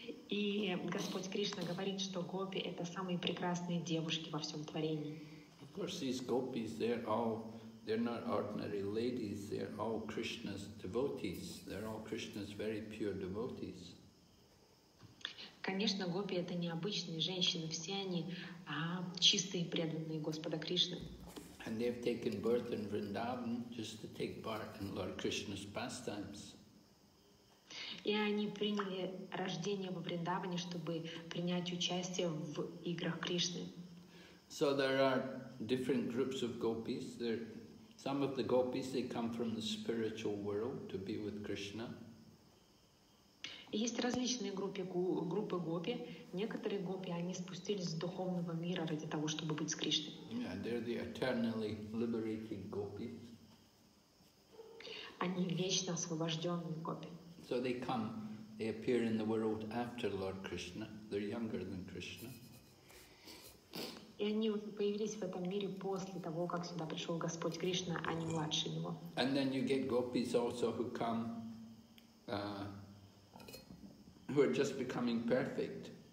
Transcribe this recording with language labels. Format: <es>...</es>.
<ru>И Господь Кришна говорит, что гопи – это самые прекрасные девушки во всем творении.</ru> <en>Of course, these gopis, they're not ordinary ladies, they're all Krishna's devotees. They're all Krishna's very pure devotees.</en> <ru>Конечно, гопи – это необычные женщины, все они чистые преданные Господа Кришны.</ru> <en>And they've taken birth in Vrindavan just to take part in Lord Krishna's pastimes.</en> <ru>И они приняли рождение во Вриндаване, чтобы принять участие в играх Кришны.</ru> <en>So there are different groups of gopis. There, some of the gopis, they come from the spiritual world to be with Krishna.</en> <ru>Есть различные группы гопи. Некоторые гопи, они спустились с духовного мира ради того, чтобы быть с Кришной.</ru> <en>Yeah, they're the eternally liberated gopis.</en> <ru>Они вечно освобожденные гопи.</ru> <en>So they come, they appear in the world after Lord Krishna. They're younger than Krishna.</en> <ru>И они появились в этом мире после того, как сюда пришел Господь Кришна, а не младше него.</ru> <en>And then you get gopis also who come, who are just becoming perfect.</en>